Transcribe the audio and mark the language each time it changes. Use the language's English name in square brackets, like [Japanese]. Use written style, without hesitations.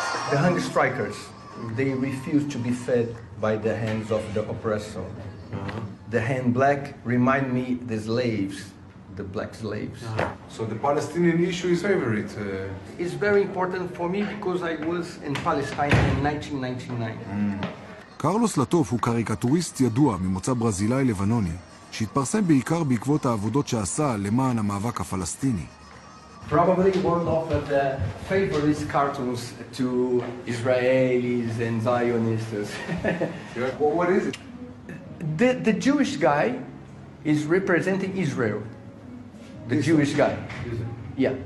[English] The hunger strikers, they refuse to be fed by the hands of the oppressor. The hand black remind me the slaves, the black slaves. So the Palestinian issue is favorite? It's very important for me because I was in Palestine in 1999. [Hebrew] קרלוס לטוף הוא קריקטוריסט ידוע ממוצא ברזילאי לבנוני, שהתפרסם בעיקר בעקבות העבודות שעשה למען המאבק הפלסטיני. [English] Probably one of the favorite cartoons to Israelis and Zionists. What is it? The Jewish guy is representing Israel. The Jewish guy. Yeah.